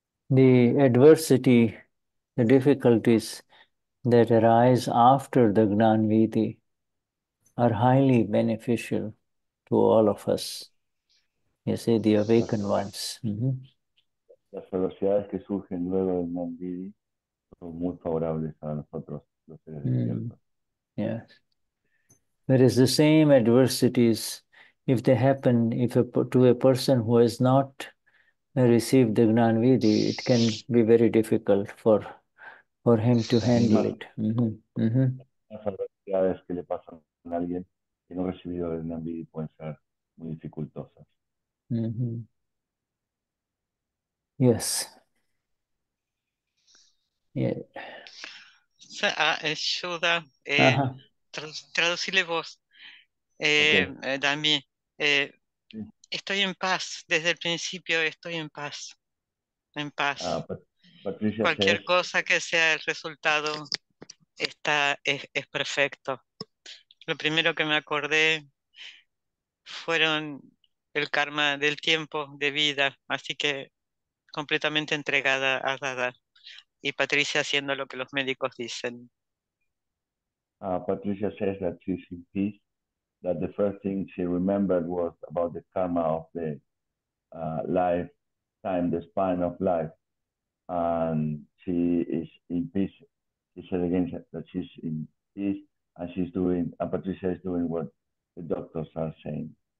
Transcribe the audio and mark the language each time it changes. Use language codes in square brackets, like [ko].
[en] The adversity, the difficulties that arise after the Gnanvidhi are highly beneficial to all of us. You see, the awakened ones. [es] las velocidades que surgen luego del Nandidi son muy favorables a nosotros, los seres despiertos. [en] Yes. There is the same adversities if they happen to a person who has not received the Gnanvidhi, it can be very difficult for him to handle it. [es] Las adversidades que le pasan a alguien que no ha recibido el Gnanvidhi pueden ser muy dificultosas. [en] Yes. Yeah. [es] Shuddha, traducile vos. Dami, estoy en paz desde el principio. Estoy en paz, en paz. Patricia, cualquier cosa que sea el resultado está es perfecto. Lo primero que me acordé fueron el karma del tiempo de vida, así que completamente entregada a Dada. Y Patricia haciendo lo que los médicos dicen. [en] Patricia says that she's in peace, that the first thing she remembered was about the karma of the lifetime, the span of life. And she is in peace. She said again that she's in peace and she's doing, and Patricia is doing what the doctors are saying.